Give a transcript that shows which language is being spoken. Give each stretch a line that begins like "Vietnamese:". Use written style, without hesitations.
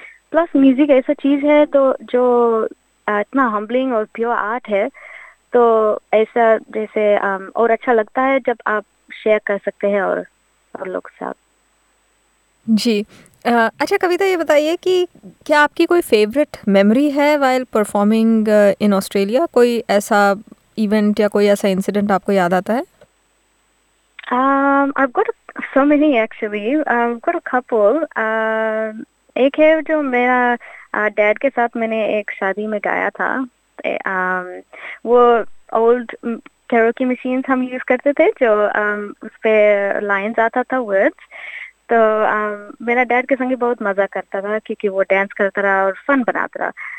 Hindi: Plus music ऐसा चीज़ है तो जो इतना हम्बलिंग और प्योर आर्ट है, तो ऐसा जैसे और अच्छा लगता है जब आप शेयर कर सकते हैं और लोग साथ। जी, अच्छा कविता, ये बताइए कि क्या आपकी कोई फेवरेट मेमोरी है वाइल परफॉर्मिंग इन ऑस्ट्रेलिया, कोई ऐसा इवेंट या कोई ऐसा इंसिडेंट आपको याद आता है?
English: I've got so many actually. I've got a couple.
Hindi: एक है जो मेरा डैड के साथ मैंने एक शादी में गाया था, वो ओल्ड कैरोकी मशीन हम यूज़ करते थे, जो उस पर लाइन्स आता था वर्ड्स, तो मेरा डैड के संग बहुत मज़ा करता था, क्योंकि वो डांस करता रहा और फन बनाता रहा।